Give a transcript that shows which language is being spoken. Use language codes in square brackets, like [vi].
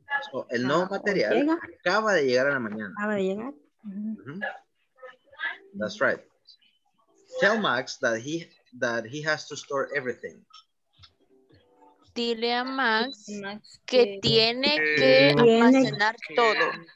[es] So, el nuevo material acaba de llegar a la mañana. Acaba de llegar. [en] That's right. Tell Max that he has to store everything. [es] Dile a Max que tiene que almacenar todo.